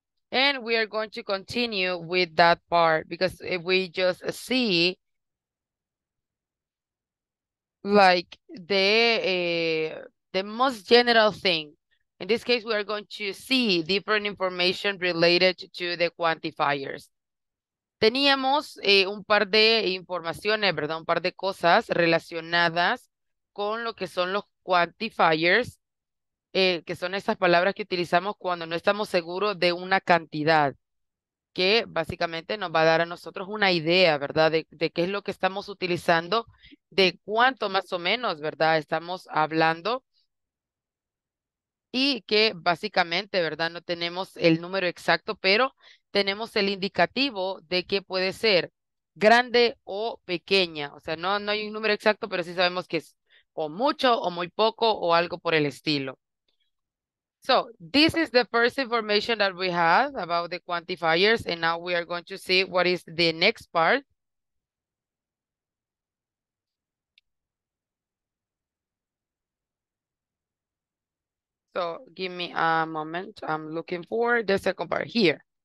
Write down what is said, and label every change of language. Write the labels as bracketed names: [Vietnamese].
[English] And we are going to continue with that part, because if we just see like the most general thing, in this case, we are going to see different information related to the quantifiers. [Spanish] Teníamos un par de informaciones, ¿verdad? Un par de cosas relacionadas con lo que son los quantifiers, que son esas palabras que utilizamos cuando no estamos seguros de una cantidad, que básicamente nos va a dar a nosotros una idea, ¿verdad? De qué es lo que estamos utilizando, de cuánto más o menos, ¿verdad? Estamos hablando. Y que básicamente, ¿verdad? No tenemos el número exacto, pero tenemos el indicativo de que puede ser grande o pequeña. O sea, no hay un número exacto, pero sí sabemos que es o mucho o muy poco o algo por el estilo. [English] So, this is the first information that we had about the quantifiers, and now we are going to see what is the next part. So give me a moment. I'm looking for the second part here.